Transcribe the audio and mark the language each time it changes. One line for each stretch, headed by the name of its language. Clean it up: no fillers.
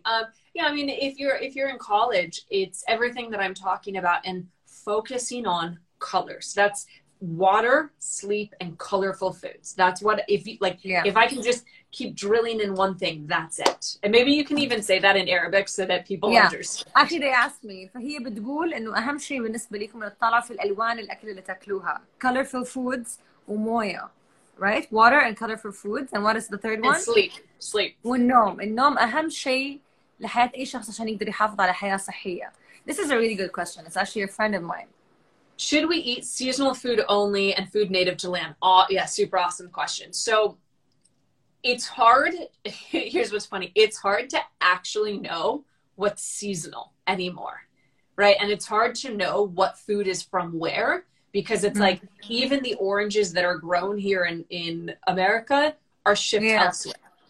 English: I mean, if you're in college, it's everything that I'm talking about and focusing on colors. That's water, sleep, and colorful foods. That's what, if I can just keep drilling in one thing, that's it. And maybe you can even say that in Arabic so that people understand. Actually, they asked me,
Arabic: فهي بتقول انه اهم شيء بالنسبة لكم للطلع في الالوان الاكل اللي تاكلوها.
English: Colorful foods
Arabic: ومويا,
English: right? Water and colorful foods. And what is the third one? And sleep.
Arabic: والنوم. النوم اهم شيء لحياة اي شخص عشان يقدر يحافظ على حياة صحية.
English: This is a really good question. It's actually a friend of mine. Should we eat seasonal food only and food native to land? Super awesome question. So it's hard. Here's what's funny. It's hard to actually know what's seasonal anymore, right? And it's hard to know what food is from where, because it's like even the oranges that are grown here in America are shipped elsewhere.